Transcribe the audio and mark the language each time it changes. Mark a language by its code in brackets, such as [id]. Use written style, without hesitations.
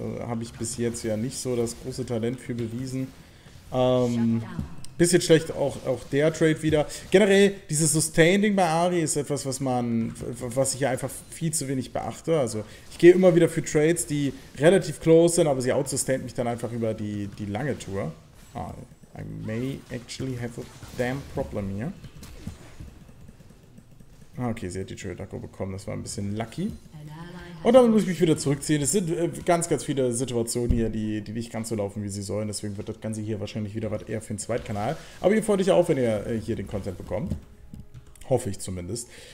[de] Habe ich bis jetzt ja nicht so das große Talent für bewiesen. Bisschen schlecht auch der Trade wieder. Generell, dieses Sustain-Ding bei Ahri ist etwas, was ich ja einfach viel zu wenig beachte. Also ich gehe immer wieder für Trades, die relativ close sind, aber sie outsustaint mich dann einfach über die lange Tour. [en] I may actually have a damn problem here. [de] Okay, sie hat die Trade-Akku bekommen. Das war ein bisschen lucky. Und damit muss ich mich wieder zurückziehen. Es sind ganz, ganz viele Situationen hier, die nicht ganz so laufen, wie sie sollen. Deswegen wird das Ganze hier wahrscheinlich wieder was eher für den Zweitkanal. Aber ihr freut euch auch, wenn ihr hier den Content bekommt. Hoffe ich zumindest.